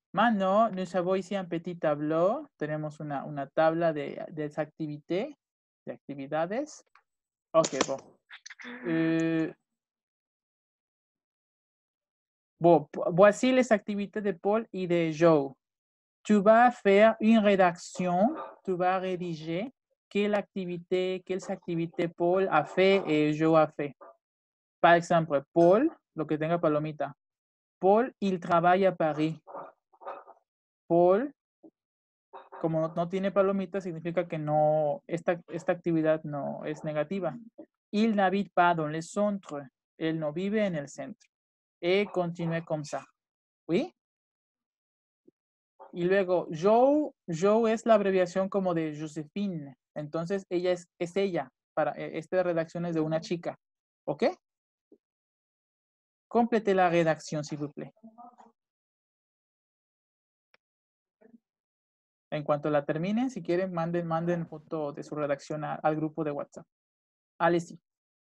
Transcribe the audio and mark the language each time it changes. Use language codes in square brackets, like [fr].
[fr] Mano, nous avons ici un petit tableau. [es] Tenemos una tabla de activité, de actividades. [fr] Ok, bo. Bon, voici les activités de Paul et de Joe. Tu vas faire une rédaction, tu vas rédiger quelle activité, quelles activités Paul a fait et Joe a fait. Par exemple, Paul, [es] lo que tenga Palomita. [fr] Paul, il travaille à Paris. [es] Paul, como no tiene Palomita, significa que no, esta actividad no es negativa. [fr] Il n'habite pas dans le centre. [es] Él no vive en el centro. [fr] Et continue comme ça. Oui? [es] Y luego, Joe es la abreviación como de Josephine. Entonces, ella es ella. Para, esta redacción es de una chica. ¿Ok? Complete la redacción, [fr] s'il vous plaît. [es] En cuanto la terminen, si quieren, manden foto de su redacción al grupo de WhatsApp. [fr] Allez-y. [es] Sí.